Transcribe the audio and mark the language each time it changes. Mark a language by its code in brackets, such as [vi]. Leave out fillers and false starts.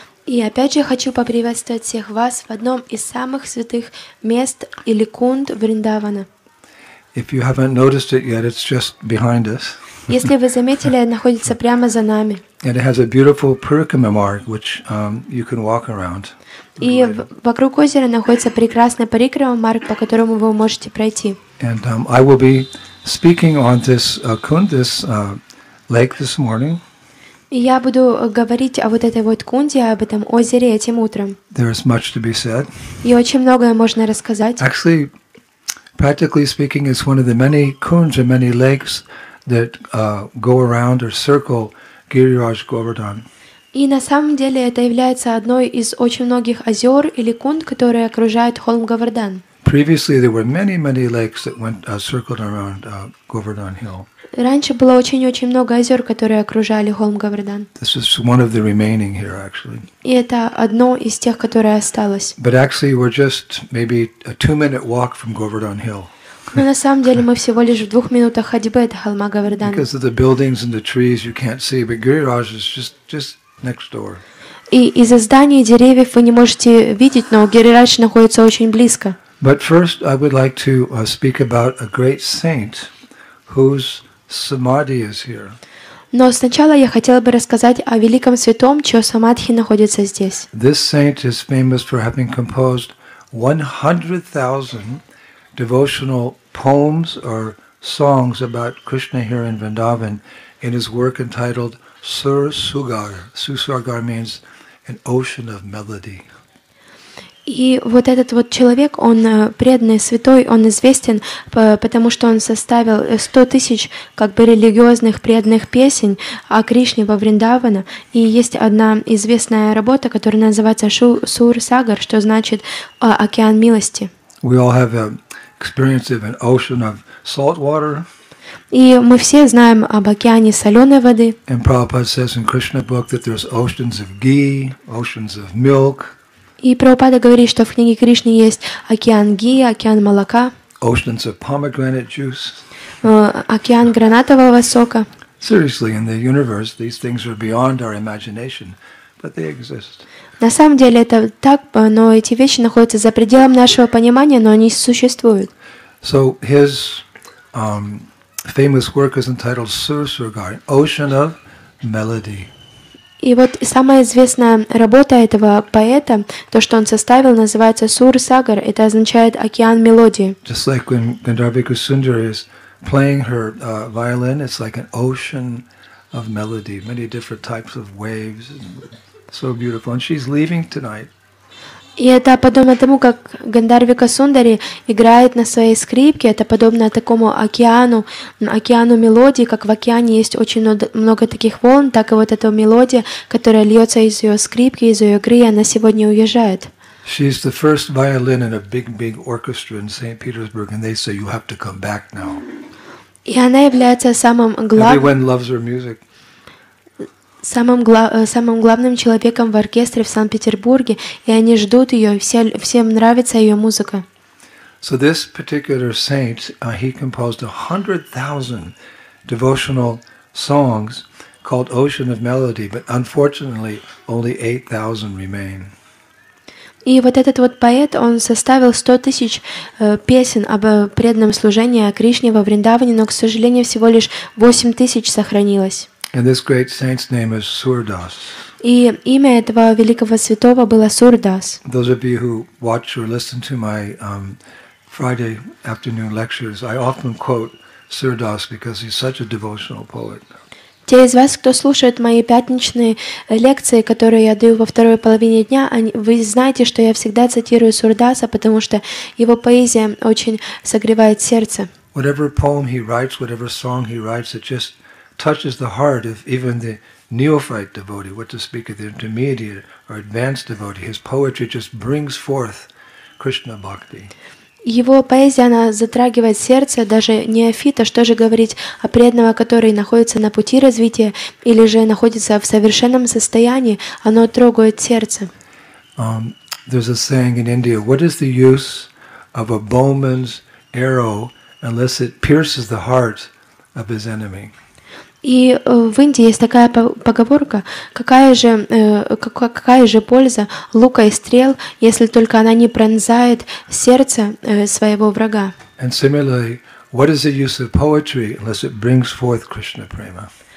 [ru] И опять же хочу поприветствовать всех вас в одном из самых святых мест или кунд Вриндавана. [en] If you haven't noticed it yet, it's just behind us. [ru] Если вы заметили, находится прямо за нами. [en] And it has a beautiful Purukkama Marg, which you can walk around. [ru] И вокруг озера находится прекрасный Парикрама Марг, по которому вы можете пройти. [en] And I will be speaking on this kund, this lake this morning. [ru] И я буду говорить о вот этой вот кунде, об этом озере этим утром. [en] There is much to be said. [ru] И очень многое можно рассказать. [en] Actually, practically speaking, it's one of the many kunds and many lakes that go around or circle Giriraj Govardhan. [ru] И на самом деле это является одной из очень многих озер или кунд, которые окружают холм Говардхан. [en] Previously, there were many, many lakes that went circled around Govardhan Hill. [ru] Раньше было очень-очень много озер, которые окружали холм Говардхан. [en] This is one of the remaining here, actually. [ru] И это одно из тех, которое осталось. [en] But actually, we're just maybe a two-minute walk from Govardhan Hill. [ru] Но на самом деле мы всего лишь в двух минутах ходьбы от холма Говардхан. [en] Because of the buildings and the trees, you can't see, but Giriraj is just next door. [ru] И из-за зданий и деревьев вы не можете видеть, но Гирирадж находится очень близко. [en] But first, I would like to speak about a great saint whose samadhi is here. [ru] Но сначала я хотела бы рассказать о великом святом, чье самадхи находится здесь. [en] This saint is famous for having composed 100,000 devotional poems or songs about Krishna here in Vrindavan in his work entitled Sur Sugar. Sur Sugar means an ocean of melody. [ru] И вот этот вот человек, он преданный, святой, он известен, потому что он составил 100,000 как бы религиозных преданных песен о Кришне во Вриндавана. И есть одна известная работа, которая называется Sur Sagar, что значит «Океан милости». [en] We all have an experience of an ocean of salt water. [ru] И мы все знаем об океане соленой воды. [en] And Prabhupada says in Krishna book that there's oceans of ghee, oceans of milk. [ru] И Прабхупада говорит, что в книге Кришны есть океан ги, океан молока. [en] Oceans of pomegranate juice. [ru] Океан гранатового сока. [en] Seriously, in the universe, these things are beyond our imagination, but they exist. [ru] На самом деле это так, но эти вещи находятся за пределом нашего понимания, но они существуют. [en] So his famous work is entitled Sur Sugar, Ocean of Melody. [ru] И вот самая известная работа этого поэта, то, что он составил, называется Sur Sagar. Это означает океан мелодии. [en] Just like when Gandharva Kusundara is playing her violin, it's like an ocean of melody, many different types of waves, so beautiful. And she's leaving tonight. [ru] И это подобно тому, как Гандхарва Кусундара играет на своей скрипке, это подобно такому океану, океану мелодии, как в океане есть очень много таких волн, так и вот эта мелодия, которая льется из ее скрипки, из ее игры, она сегодня уезжает. [en] She's the first violin in a big orchestra in St. Petersburg, and they say you have to come back now. [ru] И она является самым главным. [en] Everyone loves her music. [ru] Самым главным человеком в оркестре в Санкт-Петербурге, и они ждут ее, всем нравится ее музыка. [en] So this particular saint, he composed 100,000 devotional songs called Ocean of Melody, but unfortunately only 8,000 remain. [ru] И вот этот вот поэт, он составил 100,000 песен об преданном служении о Кришне во Вриндаване, но, к сожалению, всего лишь 8,000 сохранилось. [en] And this great saint's name is Surdas. [ru] И имя этого великого святого было Surdas. [en] Those of you who watch or listen to my Friday afternoon lectures, I often quote Surdas because he's such a devotional poet. [ru] Те из вас, кто слушает мои пятничные лекции, которые я даю во второй половине дня, вы знаете, что я всегда цитирую Сурдаса, потому что его поэзия очень согревает сердце. [en] Whatever poem he writes, whatever song he writes, it just touches the heart of even the neophyte devotee, what to speak of the intermediate or advanced devotee. His poetry just brings forth Krishna bhakti. [ru] Его поэзия, она затрагивает сердце даже неофита. Что же говорить о преданном, который находится на пути развития или же находится в совершенном состоянии? Оно трогает сердце. [en] There's a saying in India, what is the use of a bowman's arrow unless it pierces the heart of his enemy? [ru] И в Индии есть такая поговорка, какая же польза лука и стрел, если только она не пронзает сердце своего врага? [en] And similarly, what is the use of poetry unless it brings forth Krishna prema?